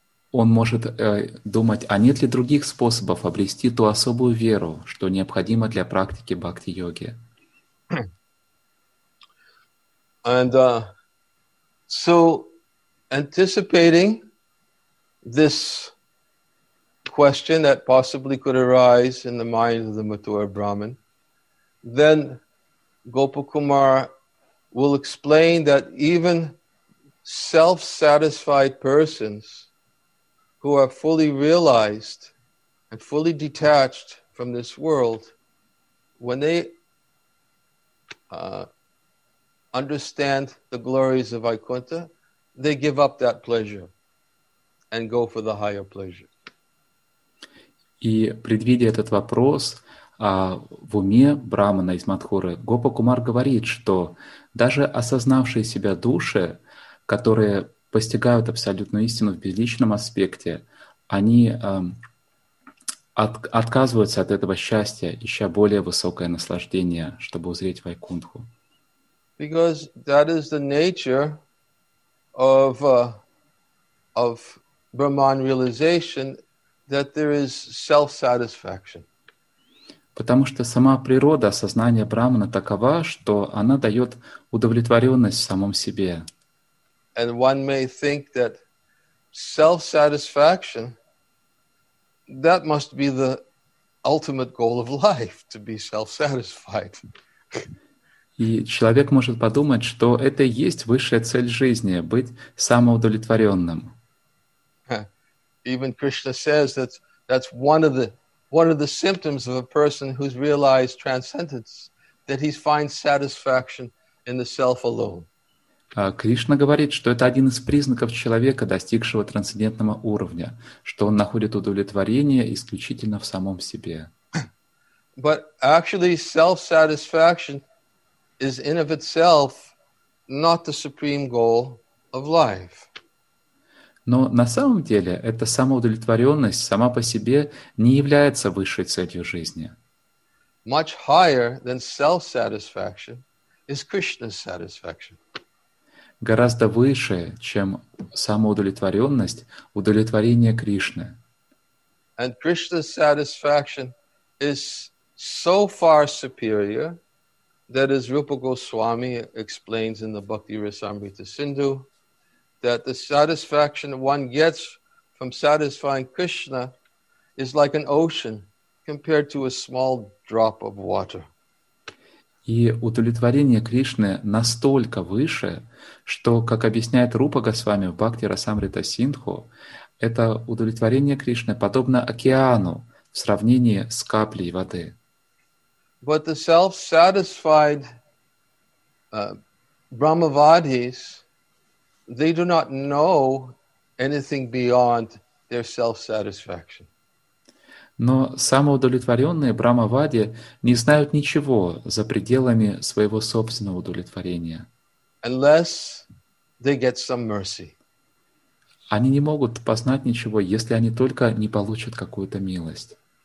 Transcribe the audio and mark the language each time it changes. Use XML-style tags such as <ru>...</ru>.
<ru>Он может думать, а нет ли других способов обрести ту особую веру, что необходимо для практики бхакти-йоги?</ru> <en>And so anticipating this question that possibly could arise in the mind of the mature Brahmin, then Gopakumar will explain that even self-satisfied persons who are fully realized and fully detached from this world, when they understand the glories of Vaikuntha, they give up that pleasure and go for the higher pleasure.</en> <ru>И предвидя этот вопрос, в уме Брахмана из Мадхуры, Гопакумар говорит, что даже осознавшие себя души, которые постигают абсолютную истину в безличном аспекте, они отказываются от этого счастья, ища более высокое наслаждение, чтобы узреть Вайкунтху.</ru> <en>Because that is the nature of Brahman realization, that there is self-satisfaction.</en> <ru>Потому что сама природа сознания Брахмана такова, что она дает удовлетворенность в самом себе.</ru> <en>And one may think that self-satisfaction, that must be the ultimate goal of life, to be self-satisfied.</en> <ru>И человек может подумать, что это и есть высшая цель жизни — быть самоудовлетворенным.</ru> <en>Even Krishna says that that's one of the symptoms of a person who's realized transcendence, that he finds satisfaction in the self alone.</en> <ru>Кришна говорит, что это один из признаков человека, достигшего трансцендентного уровня, что он находит удовлетворение исключительно в самом себе.</ru> <en>But actually, self-satisfaction is in of itself not the supreme goal of life.</en> <ru>Но на самом деле эта самоудовлетворенность сама по себе не является высшей целью жизни.</ru> <en>Much higher than self-satisfaction is Krishna's satisfaction.</en> <ru>Гораздо выше, чем самоудовлетворенность, удовлетворение Кришны.</ru> <en>And Krishna's satisfaction is so far superior that, as Rupa Goswami explains in the Bhakti Rasamrita Sindhu, that the satisfaction one gets from satisfying Krishna is like an ocean compared to a small drop of water.</en> <ru>И удовлетворение Кришны настолько выше, что, как объясняет Рупа Госвами в Бхакти Расамрита Синдху, это удовлетворение Кришны подобно океану в сравнении с каплей воды.</ru> <en>But the self-satisfied Brahmavadis, they do not know anything beyond their self-satisfaction.</en> <ru>Но самоудовлетворенные брахмавади не знают ничего за пределами своего собственного удовлетворения.</ru> <en>Unless they get some mercy.</en> <ru>Они не могут познать ничего, если они только не получат какую-то милость.</ru>